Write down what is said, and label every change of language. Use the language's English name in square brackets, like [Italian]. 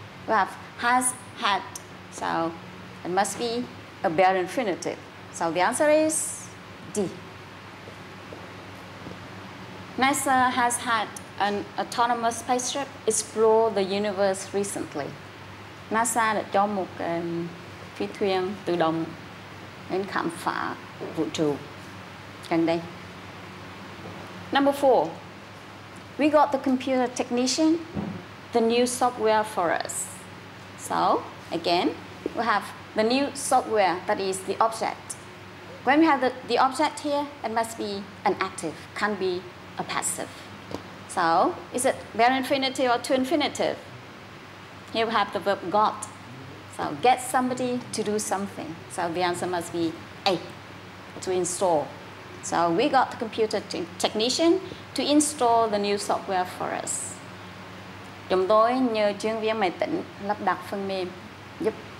[English] We have has, had, so it must be a bare infinitive. So the answer is D. NASA has had an autonomous spaceship explore the universe recently. [Vietnamese] NASA đã cho một phi thuyền tự động đến khám phá vũ trụ gần đây. [English] Number four. We got the computer technician, the new software for us. So, again, we have the new software, that is the object. When we have the object here, it must be an active, can't be a passive. So, is it bare infinitive or two infinitive? Here we have the verb got. So, get somebody to do something. So, the answer must be A, to install. So we got the computer technician to install the new software for us. [Vietnamese] Chúng tôi nhờ chuyên viên máy tính lắp đặt phần mềm giúp.